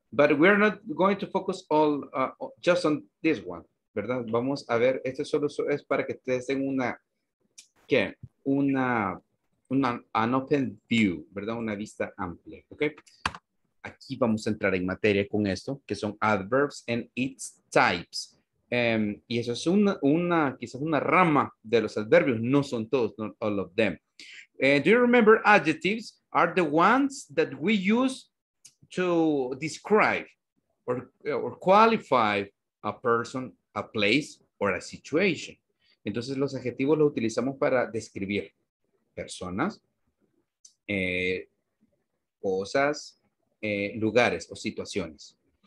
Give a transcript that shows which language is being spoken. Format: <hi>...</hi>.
<en>But we're not going to focus all just on this one.</en> <es>¿Verdad? Vamos a ver, este solo es para que ustedes tengan una, ¿qué?</es> <en>Una, an open view, ¿verdad?</en> <es>Una vista amplia, ¿ok? Aquí vamos a entrar en materia con esto, que son</es> <en>adverbs and its types.</en> <es>Y eso es una, quizás una rama de los adverbios, no son todos,</es> <en>not all of them. Do you remember adjectives are the ones that we use to describe or qualify a person, a place, or a situation.</en> <es>Entonces, los adjetivos los utilizamos para describir personas, cosas, lugares o situaciones.</es>